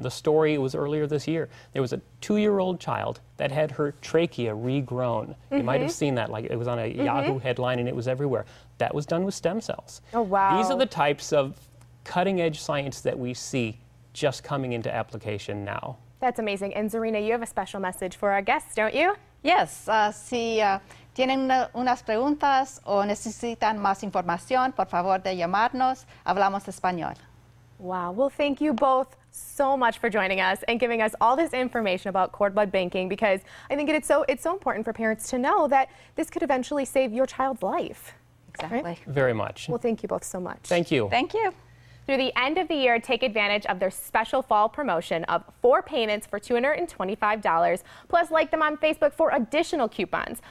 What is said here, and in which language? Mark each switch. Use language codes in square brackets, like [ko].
[en] The story was earlier this year. There was a 2-year-old child that had her trachea regrown. Mm-hmm. You might have seen that, like it was on a mm-hmm. Yahoo headline and it was everywhere. That was done with stem cells. Oh, wow. These are the types of cutting edge science that we see just coming into application now. That's amazing. And Zarina, you have a special message for our guests, don't you? [es] Yes, tienen unas preguntas o necesitan más información, por favor de llamarnos. Hablamos español. [en] Wow. Well, thank you both so much for joining us and giving us all this information about cord blood banking, because I think it's so important for parents to know that this could eventually save your child's life. Exactly. Right? Very much. Well, thank you both so much. Thank you. Thank you. Through the end of the year, take advantage of their special fall promotion of 4 payments for $225, plus like them on Facebook for additional coupons.